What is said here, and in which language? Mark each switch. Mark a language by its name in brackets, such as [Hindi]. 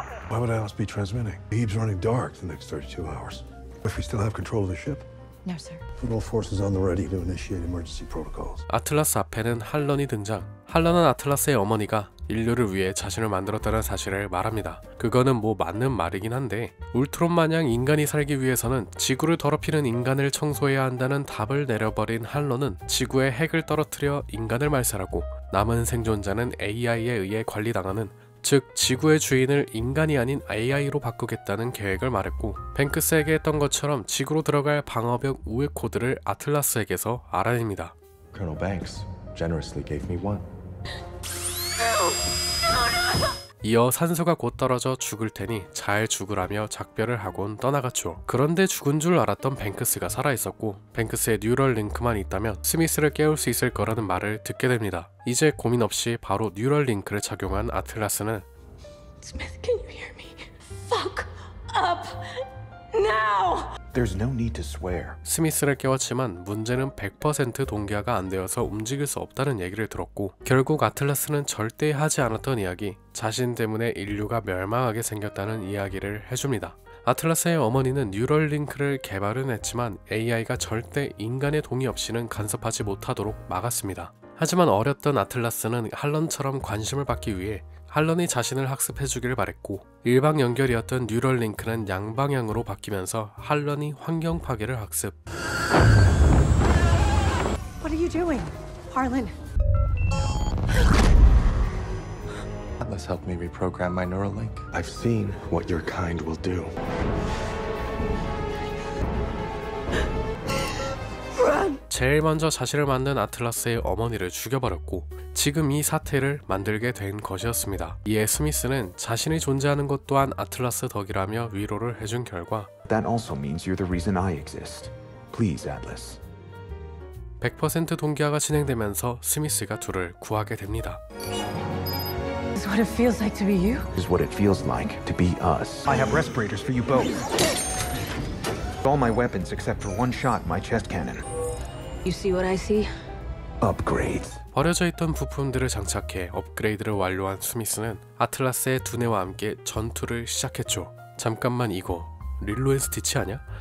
[English] Why would I else be transmitting? The heap's running dark the next 32 hours. If we still have control of the ship. No, sir. Put all forces on the ready to initiate emergency protocols. [Korean] 아틀라스 앞에는 할런이 등장. 할런은 아틀라스의 어머니가 인류를 위해 자신을 만들었다는 사실을 말합니다. 그거는 뭐 맞는 말이긴 한데 울트론 마냥 인간이 살기 위해서는 지구를 더럽히는 인간을 청소해야 한다는 답을 내려버린 할런은 지구에 핵을 떨어뜨려 인간을 말살하고 남은 생존자는 AI에 의해 관리당하는 즉 지구의 주인을 인간이 아닌 AI로 바꾸겠다는 계획을 말했고 뱅크스에게 했던 것처럼 지구로 들어갈 방어벽 우회 코드를 아틀라스에게서 알아냅니다. [English] Colonel Banks generously gave me one. [Korean] 이어 산소가 곧 떨어져 죽을 테니 잘 죽으라며 작별을 하곤 떠나갔죠. 그런데 죽은 줄 알았던 뱅크스가 살아있었고 뱅크스의 뉴럴링크만 있다면 스미스를 깨울 수 있을 거라는 말을 듣게 됩니다. 이제 고민 없이 바로 뉴럴링크를 착용한 아틀라스는 [English] Smith, can you hear me? Fuck up now! There's no need to swear. [Korean] 스미스를 깨웠지만 문제는 100% 동기화가 안 되어서 움직일 수 없다는 얘기를 들었고 결국 아틀라스는 절대 하지 않았던 이야기, 자신 때문에 인류가 멸망하게 생겼다는 이야기를 해줍니다. 아틀라스의 어머니는 뉴럴링크를 개발은 했지만 AI가 절대 인간의 동의 없이는 간섭하지 못하도록 막았습니다. 하지만 어렸던 아틀라스는 할런처럼 관심을 받기 위해 할런이 자신을 학습해주기를 바랬고 일방 연결이었던 뉴럴링크는 양방향으로 바뀌면서 할런이 환경 파괴를 학습. [English] What are you doing, Harlan? Atlas helped me reprogram my Neuralink. I've seen what your kind will do. Run! [Korean] 제일 먼저 자신을 만든 아틀라스의 어머니를 죽여버렸고 지금 이 사태를 만들게 된 것이었습니다. 이에 스미스는 자신이 존재하는 것 또한 아틀라스 덕이라며 위로를 해준 결과 [English] That also means you're the reason I exist. Please, Atlas. [Korean] 100% 동기화가 진행되면서 스미스가 둘을 구하게 됩니다. [English] Is what it feels like to be you? Is what it feels like to be us. I have respirators for you both. All my weapons except for one shot in my chest cannon. You see what I see? Upgrade. [Korean] 버려져 있던 부품들을 장착해 업그레이드를 완료한 스미스는 아틀라스의 두뇌와 함께 전투를 시작했죠. 잠깐만, 이거 릴로 앤 스티치 아니야?